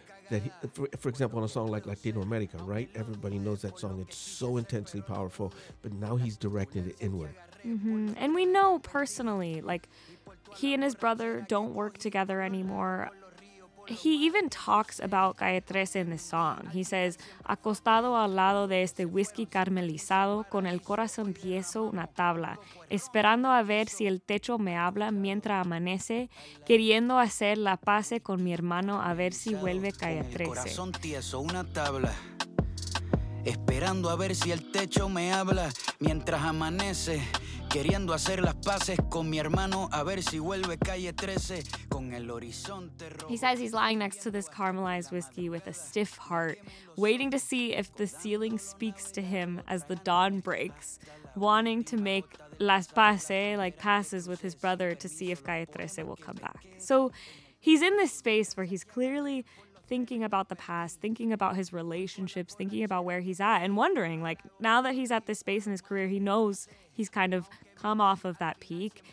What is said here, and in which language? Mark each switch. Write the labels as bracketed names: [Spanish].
[English] That he, for example, on a song like Latino America, right? Everybody knows that song. It's so intensely powerful. But now he's directing it inward. Mm-hmm. And we know personally, like, he and his brother don't work together anymore. He even talks about Calle 13 in this song. He says, [Spanish] acostado al lado de este whisky caramelizado, con el corazón tieso una tabla, esperando a ver si el techo me habla mientras amanece, queriendo hacer la pase con mi hermano a ver si vuelve Calle 13. Con el corazón tieso una tabla, esperando a ver si el techo me habla mientras amanece, queriendo hacer las paces con mi hermano a ver si vuelve Calle 13 con el horizonte rojo. [English] He says he's lying next to this caramelized whiskey with a stiff heart, waiting to see if the ceiling speaks to him as the dawn breaks, wanting to make [Spanish] las paces, [English] like passes with his brother to see if Calle 13 will come back. So he's in this space where he's clearly thinking about the past, thinking about his relationships, thinking about where he's at, and wondering, like, now that he's at this space in his career, he knows he's kind of come off of that peak.